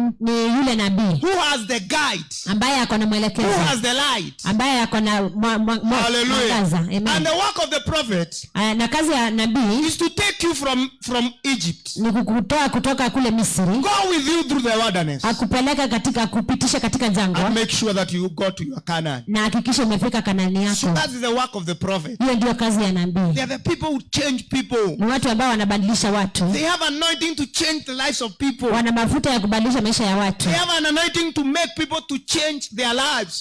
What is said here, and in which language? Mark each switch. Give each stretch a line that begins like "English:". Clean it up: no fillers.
Swahili: Ni yule nabii.
English: Who has the guide?
Swahili: Ambaye akona mwelekezo.
English: Who has the light?
Swahili: Ambaye akona Hallelujah. Mwangaza. Amen.
English: And the work of the prophet
Swahili: na kazi ya nabii
English: is to take you from Egypt.
Swahili: Ni kukutoa kutoka kule Misri.
English: Go with you through the wilderness.
Swahili: Akupeleka katika kupitisha katika jangwa.
English: And make sure that you go to your Canaan.
Swahili: Na hakikisha umefika Kanaani yako.
English: So that is the work of the prophet.
Swahili: Hiyo ndio kazi ya nabii.
English: They are the people who change people.
Swahili: Ni watu ambao wanabadilisha watu.
English: They have anointing to change the lives of people.
Swahili: Wana mafuta ya kubadilisha maisha ya watu.
English: They have an anointing to make people to change their lives.